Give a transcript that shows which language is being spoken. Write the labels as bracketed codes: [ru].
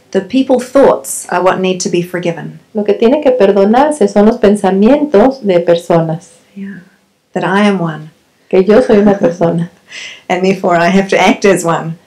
[en] The people thoughts are what need to be forgiven. [es] Lo que tiene que perdonarse son los pensamientos de personas. [en] Yeah. That I am one. [es] Que yo soy una persona. [en] And therefore I have to act as one.